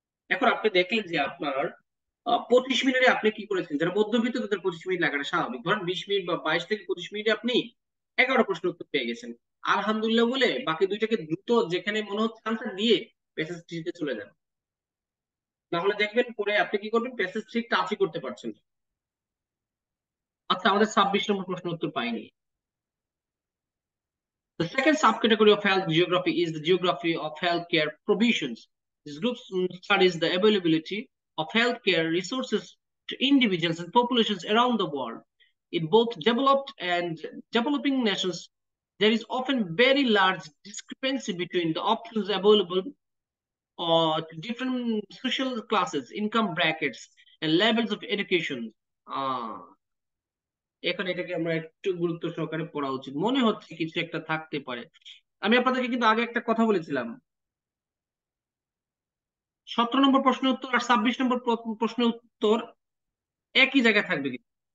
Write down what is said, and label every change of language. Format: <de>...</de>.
<bn>এখন আপনি দেখলেন যে আপনার 25 মিনিটে আপনি কি করেছেন, যারা মধ্যবিত্ত তাদের 25 মিনিট লাগানো স্বাভাবিক, ধরেন 20 মিনিট বা 22 থেকে 25 মিনিটে আপনি 11টা প্রশ্ন উত্তর পেয়ে গেছেন আলহামদুলিল্লাহ বলে, বাকি দুইটাকে দ্রুত যেখানে মনে হচ্ছে আনসার দিয়ে প্যাসেজ থ্রিতে চলে যান, নাহলে দেখবেন পরে আপনি কি করবেন, প্যাসেজ থ্রি টাচই করতে পারছেন। আচ্ছা আমাদের 26 নম্বর প্রশ্ন উত্তর পাইনি।</bn> <en>The second subcategory of health geography is the geography of healthcare provisions. This group studies the availability of healthcare resources to individuals and populations around the world. In both developed and developing nations, there is often very large discrepancy between the options available to different social classes, income brackets, and levels of education.</en> <bn>এখন এটাকে আমরা একটু গুরুত্ব সহকারে পড়া উচিত, মনে হচ্ছে কিছু একটা থাকতে পারে। আমি আপনাদেরকে কিন্তু আগে একটা কথা বলেছিলাম, 17 নম্বর প্রশ্ন উত্তর আর 26 নম্বর প্রশ্ন উত্তর একই জায়গায় থাকবে কিন্তু।</bn>